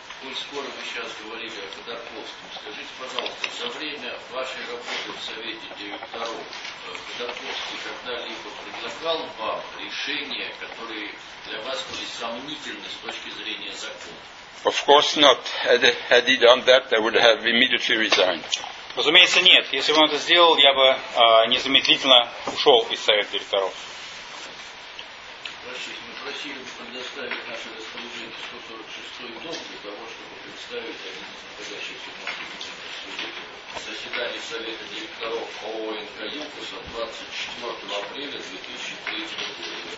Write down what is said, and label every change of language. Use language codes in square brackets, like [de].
[ru] Коль скоро вы сейчас говорили о Ходорковском, скажите, пожалуйста, за время вашей работы в Совете директоров Ходорковский когда-либо предлагал вам решения, которые для вас были сомнительны с точки зрения закона? [en] Of course not. Had he done that, I would have immediately resigned. [ru] Разумеется, нет. Если бы он это сделал, я бы незамедлительно ушел из совета директоров. Простите, мы просили бы предоставить наше распоряжение 146-й дом для того, чтобы представить один из находящихся в нашем институте заседание совета директоров ООО «НК Юкоса» 24 апреля 2003 года.